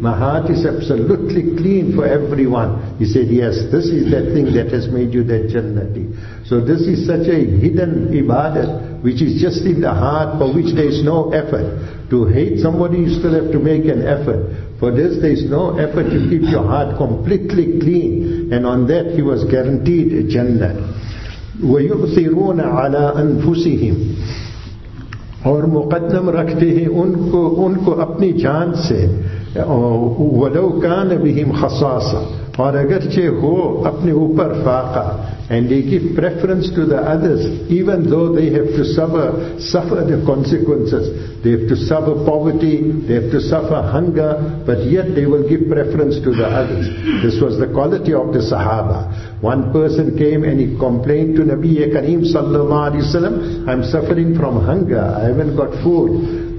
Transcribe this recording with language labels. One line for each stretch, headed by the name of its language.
English: My heart is absolutely clean for everyone. He said, yes, this is that thing that has made you that jannati. So this is such a hidden ibadah, which is just in the heart, for which there is no effort. To hate somebody, you still have to make an effort. For this there is no effort to keep your heart completely clean. And on that he was guaranteed a Jannah.
Arabic: وَيُؤْثِرُونَ عَلَىٰ أَنفُسِهِمْ
Urdu: اور مقدم رکھتے ہیں ان کو اپنی جان سے.
Arabic: وَلَوْ كَانَ بِهِمْ خَصَاصًا
Urdu: اور اگرچہ ہو اپنے اوپر فاقہ.
English: And they give preference to the others, even though they have to suffer the consequences. They have to suffer poverty, they have to suffer hunger, but yet they will give preference to the others. This was the quality of the Sahaba. One person came and he complained to Nabi Kareem sallallahu alayhi wa sallam, I'm suffering from hunger, I haven't got food.